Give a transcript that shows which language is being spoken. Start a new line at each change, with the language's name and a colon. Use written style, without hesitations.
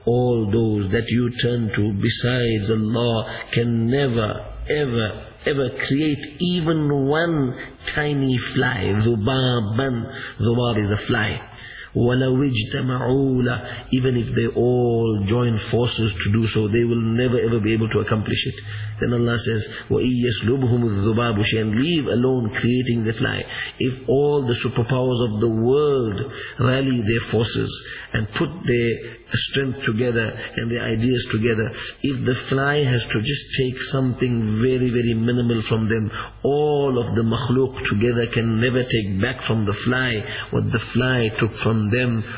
English: All those that you turn to besides Allah can never ever create even one tiny fly. Dhubaban. Dhubab is a fly.
Arabic: وَلَوْ اجْتَمَعُوا لَهُ.
English: Even if they all join forces to do so, they will never ever be able to accomplish it. Then Allah says,
Arabic: وَإِن يَسْلُبْهُمُ الذُّبَابُ شَيْئًا.
English: Leave alone creating the fly. If all the superpowers of the world rally their forces and put their strength together and their ideas together, if the fly has to just take something very, very minimal from them, all of the makhluk together can never take back from the fly what the fly took from them.